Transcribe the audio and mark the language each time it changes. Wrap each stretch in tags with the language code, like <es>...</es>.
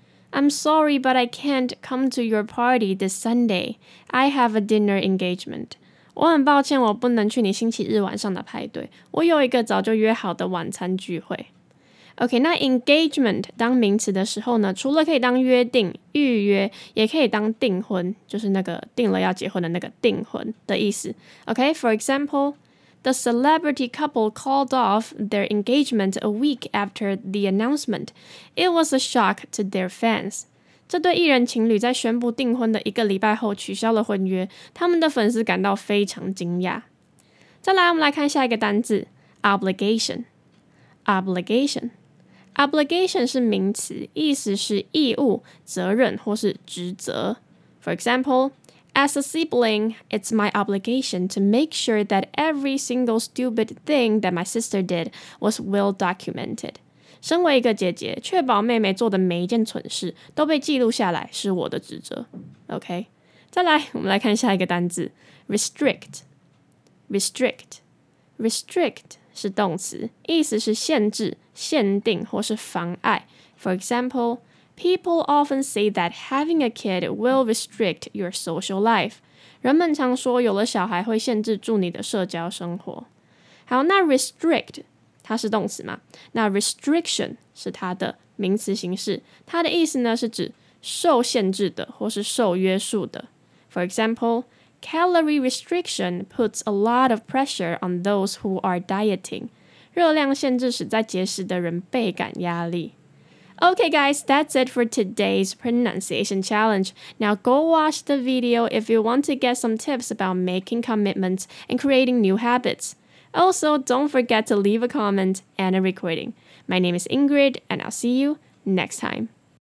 <en>I'm sorry, but I can't come to your party this Sunday. I have a dinner engagement.</en> <zh>我很抱歉，我不能去你星期日晚上的派对。我有一个早就约好的晚餐聚会。 OK， 那 engagement 当名词的时候呢，除了可以当约定、预约，也可以当订婚，就是那个订了要结婚的那个订婚的意思。</zh> <en>OK， for example, the celebrity couple called off their engagement a week after the announcement. It was a shock to their fans.</en> <zh>这对艺人情侣在宣布订婚的一个礼拜后取消了婚约，他们的粉丝感到非常惊讶。再来，我们来看下一个单字 obligation。Obligation. Obligation 是名词，意思是义务、责任或是职责。</zh> <en>For example, as a sibling, it's my obligation to make sure that every single stupid thing that my sister did was well documented.</en> <zh>身为一个姐姐，确保妹妹做的每一件蠢事都被记录下来是我的职责。 OK， 再来，我们来看下一个单字 restrict. Restrict. Restrict. 是动词，意思是限制、限定或是妨碍。</zh> <en>For example, people often say that having a kid will restrict your social life.</en> <zh>人们常说有了小孩会限制住你的社交生活。好，那 restrict 它是动词吗？那 restriction 是它的名词形式，它的意思呢是指受限制的或是受约束的。</zh> <en>For example,Calorie restriction puts a lot of pressure on those who are dieting.</en> <zh>热量限制使在节食的人倍感压力。</zh> <en>Okay, guys, that's it for today's pronunciation challenge. Now go watch the video if you want to get some tips about making commitments and creating new habits. Also, don't forget to leave a comment and a recording. My name is Ingrid, and I'll see you next time.</en>